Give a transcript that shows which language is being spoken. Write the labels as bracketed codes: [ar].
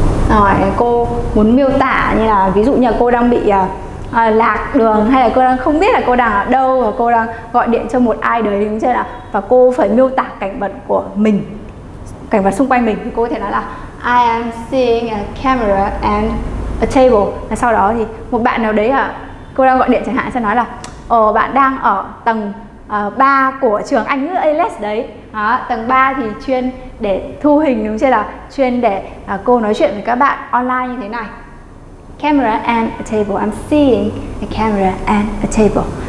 [vi] Rồi, cô muốn miêu tả như là ví dụ như là cô đang bị lạc đường, hay là cô đang không biết là cô đang ở đâu, và cô đang gọi điện cho một ai đấy, đúng chưa nào? Và cô phải miêu tả cảnh vật của mình, cảnh vật xung quanh mình, thì cô có thể nói là [en] I am seeing a camera and a table. [vi] Và sau đó thì một bạn nào đấy cô đang gọi điện chẳng hạn, sẽ nói là bạn đang ở tầng 3 của trường Anh ngữ ALS đấy. Đó, tầng 3 thì chuyên để thu hình, đúng chưa nào? Chuyên để cô nói chuyện với các bạn online như thế này. [en] Camera and a table. I'm seeing a camera and a table.